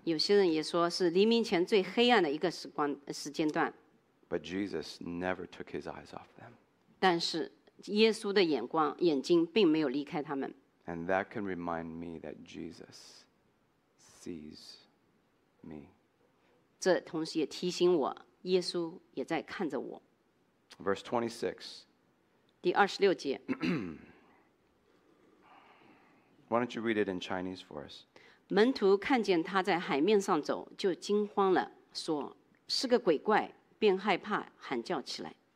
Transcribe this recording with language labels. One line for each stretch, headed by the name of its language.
Chinese: 有些人也说是黎明前最黑暗的一个时间段。
English: But Jesus never took his eyes off them.
Chinese: 但是耶稣的眼睛并没有离开他们。
English: And that can remind me that Jesus sees me.
Chinese: 这同时也提醒我，耶稣也在看着我。
English: Verse 26.
Chinese: 第二十六节。
English: Why don't you read it in Chinese for us?
Chinese: 门徒看见他在海面上走，就惊慌了，说是个鬼怪，便害怕，喊叫起来。